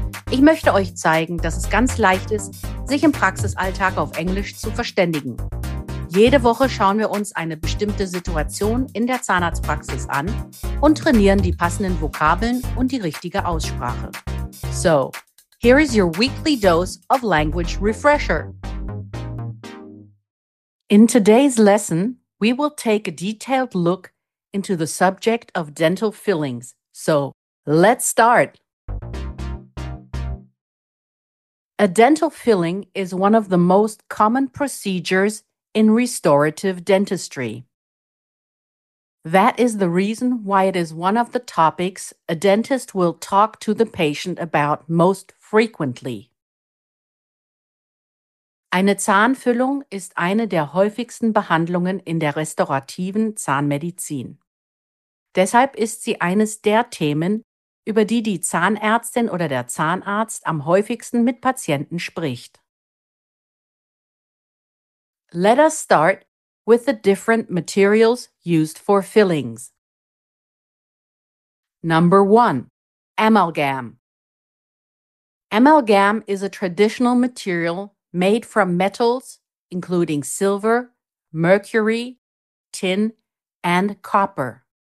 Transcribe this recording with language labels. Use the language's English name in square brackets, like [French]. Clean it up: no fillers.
[German] Ich möchte euch zeigen, dass es ganz leicht ist, sich im Praxisalltag auf Englisch zu verständigen. Jede Woche schauen wir uns eine bestimmte Situation in der Zahnarztpraxis an und trainieren die passenden Vokabeln und die richtige Aussprache. [English] So, here is your weekly dose of language refresher. In today's lesson, we will take a detailed look into the subject of dental fillings. So, let's start! A dental filling is one of the most common procedures in restorative dentistry. That is the reason why it is one of the topics a dentist will talk to the patient about most frequently. [German] Eine Zahnfüllung ist eine der häufigsten Behandlungen in der restaurativen Zahnmedizin. Deshalb ist sie eines der Themen, über die die Zahnärztin oder der Zahnarzt am häufigsten mit Patienten spricht. [English] Let us start with the different materials used for fillings. Number 1. Amalgam. Amalgam is a traditional material made from metals, including silver, mercury, tin, and copper.